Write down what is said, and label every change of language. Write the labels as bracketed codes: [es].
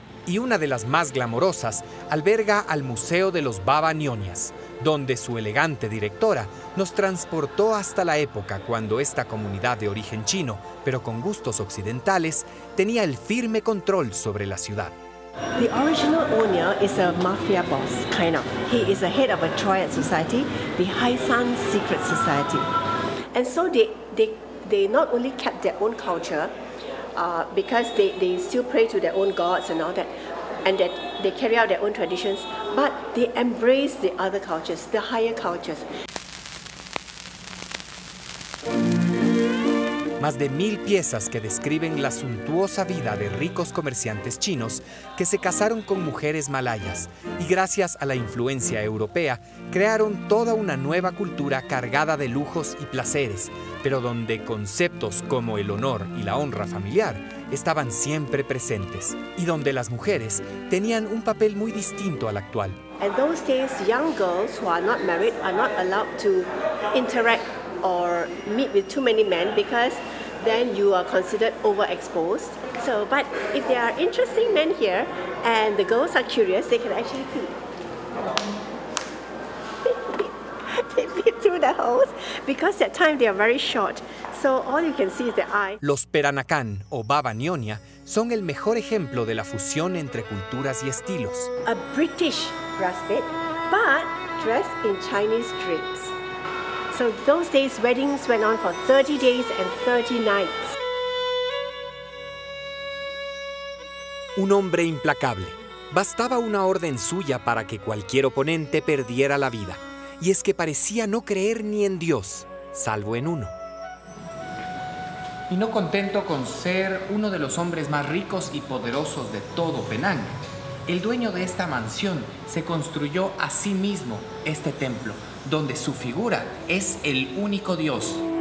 [es] Y una de las más glamorosas alberga al Museo de los Baba Nyonyas, donde su elegante directora nos transportó hasta la época cuando esta comunidad de origen chino, pero con gustos occidentales, tenía el firme control sobre la ciudad. [en] The original owner is a mafia boss, kind of. He is the head of a triad society, the Haisan Secret Society. And so they not only kept their own culture, because they still pray to their own gods and all that, and that they carry out their own traditions, but they embrace the other cultures, the higher cultures. [es] Más de 1,000 piezas que describen la suntuosa vida de ricos comerciantes chinos que se casaron con mujeres malayas y gracias a la influencia europea crearon toda una nueva cultura cargada de lujos y placeres, pero donde conceptos como el honor y la honra familiar estaban siempre presentes y donde las mujeres tenían un papel muy distinto al actual. En esos días, [en] young girls who are not married are not allowed to interact or meet with too many men because then you are considered overexposed. So, but if there are interesting men here and the girls are curious, they can actually peep. They peep through the holes because that time they are very short. So all you can see is the eye. [es] Los Peranakan o Baba Nyonya son el mejor ejemplo de la fusión entre culturas y estilos. [en] A British rustic, but dressed in Chinese drapes. So those days, weddings went on for 30 days and 30 nights. [es] Un hombre implacable. Bastaba una orden suya para que cualquier oponente perdiera la vida. Y es que parecía no creer ni en Dios, salvo en uno. Y no contento con ser uno de los hombres más ricos y poderosos de todo Penang, el dueño de esta mansión se construyó a sí mismo este templo, donde su figura es el único dios.